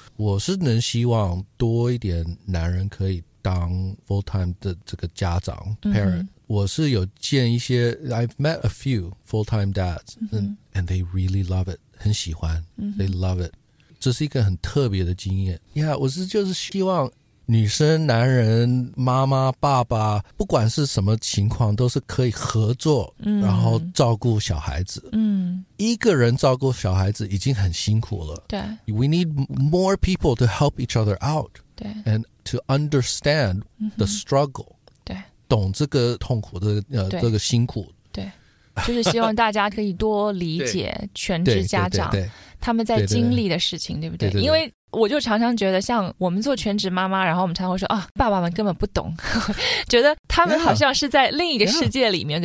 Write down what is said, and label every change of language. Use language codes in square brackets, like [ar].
[zh] 我是能希望多一点男人可以当 full time 的这个家长 parent、嗯、我是有见一些 [en] I've met a few full time dads、 [zh] 嗯、 [en] and they really love it, [zh] 很喜欢、嗯、 [en] they love it, [zh] 这是一个很特别的经验。Yeah, 我是就是希望女生、男人、妈妈、爸爸，不管是什么情况，都是可以合作、嗯、然后照顾小孩子、嗯。一个人照顾小孩子已经很辛苦了。对。 [en] We need more people to help each other out. [zh] 对。 [en] And to understand the struggle.、 [zh] 嗯、对。懂这个痛苦的、这个辛苦。对。就是希望大家可以多理解全职家长。对。对对对对，他们在经历的事情， 对, 对, 对, 对, 对, 对, 对，因为我就常常觉得像我们做全职妈妈，然后我们常常会说啊，爸爸们根本不懂，觉得他们好像是在另一个世界里面、